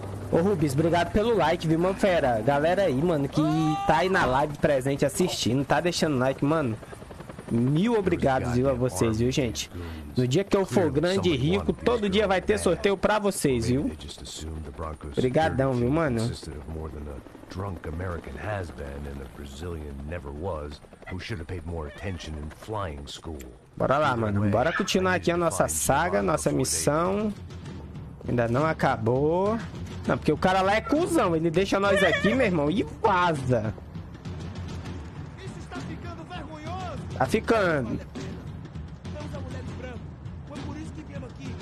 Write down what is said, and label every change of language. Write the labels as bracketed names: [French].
[Portuguese] Ô, Rubens, obrigado pelo like, viu, mano, fera. Galera aí, mano, que tá aí na live presente assistindo, tá deixando like, mano. Mil obrigados, viu, a vocês, viu, gente. No dia que eu for grande e rico, todo dia vai ter sorteio pra vocês, viu. Obrigadão, viu, mano. [English] Drunk American has been and a Brazilian never was who should have paid more attention in flying school. [Portuguese] Bora lá, mano. Bora continuar aqui a nossa saga, nossa missão. Ainda não acabou. Não, porque o cara lá é cuzão. Ele deixa nós aqui, meu irmão, e vaza. Isso está ficando vergonhoso. Tá ficando. Estamos a mulher de branco. Foi por isso que viemos aqui.